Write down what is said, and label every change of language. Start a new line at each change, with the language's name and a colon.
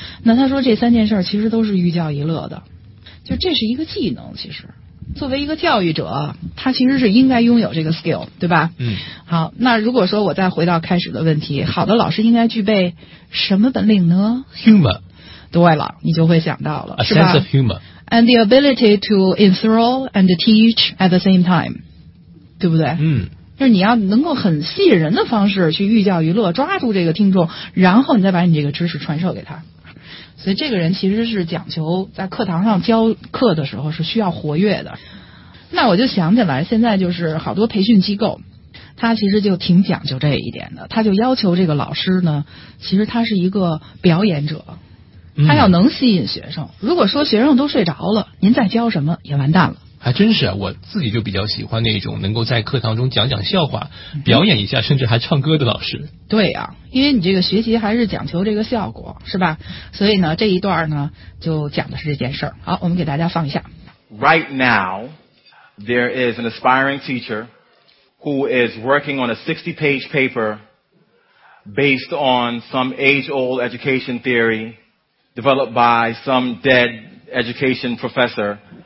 Chinese: 那他说这三件事其实都是寓教于乐的。就这是一个技能，其实作为一个教育者，他其实是应该拥有这个 skill， 对吧？嗯。好，那如果说我再回到开始的问题，好的老师应该具备什么本领呢？
English: Humor。
Chinese: 对了，你就会想到了
English: A sense of humor and the ability to enthrall and teach at the same time， 对不对？嗯，
Chinese: 就是你要能够很吸引人的方式去寓教于乐，抓住这个听众，然后你再把你这个知识传授给他。所以这个人其实是讲求在课堂上教课的时候是需要活跃的。那我就想起来，现在就是好多培训机构，他其实就挺讲究这一点的，他就要求这个老师呢，其实他是一个表演者，他要能吸引学生。如果说学生都睡着了，您再教什么也完蛋了。还真是，我自己就比较喜欢那种能够在课堂中讲讲笑话，表演一下，甚至还唱歌的老师。对呀，因为你这个学习还是讲求这个效果，是吧？所以呢，这一段呢，就讲的是这件事儿。好，我们给大家放一下。
English: Right now, there is an aspiring teacher who is working on a 60-page paper based on some age-old education theory developed by some dead education professor.